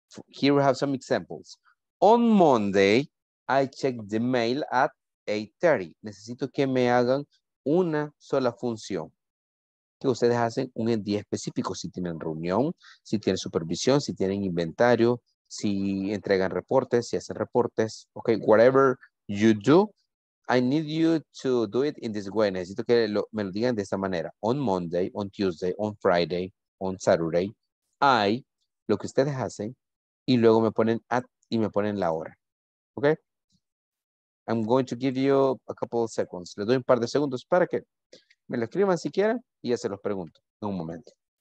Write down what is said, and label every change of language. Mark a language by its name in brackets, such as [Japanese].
[English] Here we have some examples. On Monday, I check the mail at 8:30. [Spanish] Necesito que me hagan una sola función. Que ustedes hacen un día específico. Si tienen reunión, si tienen supervisión, si tienen inventario, si entregan reportes, si hacen reportes. [English] Okay, whatever you do. I need you to do it in this way. [Spanish] Necesito que me lo digan de esta manera. [English] On Monday, on Tuesday, on Friday, on Saturday, I, [Spanish] lo que ustedes hacen, y luego me ponen at y me ponen la hora. Okay? [English] I'm going to give you a couple of seconds. [Spanish] Le doy un par de segundos para que me lo escriban si quieren y ya se los pregunto en un momento.